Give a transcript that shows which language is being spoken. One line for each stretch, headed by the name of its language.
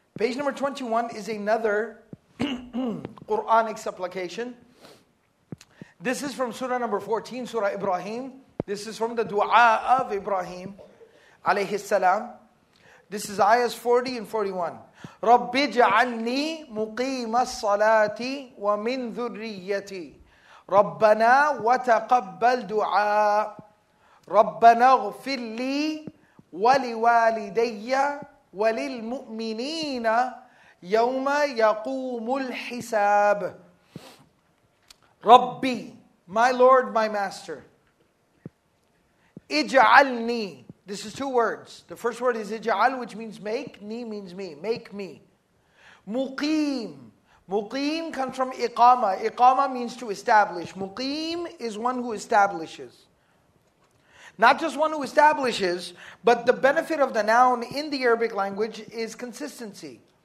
English: Page number 21 is another Quranic supplication. This is from Surah number 14, Surah Ibrahim. This is from the dua of Ibrahim, alayhi salam. This is ayahs 40 and 41.
Arabic: رَبِّ جَعَلْنِي مُقِيمَ الصَّلَاةِ وَمِنْ ذُرِّيَّتِي رَبَّنَا وَتَقَبَّلْ دُعَاء رَبَّنَا اغْفِرْ لِي وَلِوَالِدَيَّ وَلِلْمُؤْمِنِينَ يَوْمَ يَقُومُ الْحِسَابِ رَبِّي
English: My Lord, my Master, Ij'alni. This is two words. The first word is ij'al, which means make. Ni means me. Make me. Muqim. Muqim comes from iqama. Iqama means to establish. Muqim is one who establishes. Not just one who establishes, but the benefit of the noun in the Arabic language is consistency.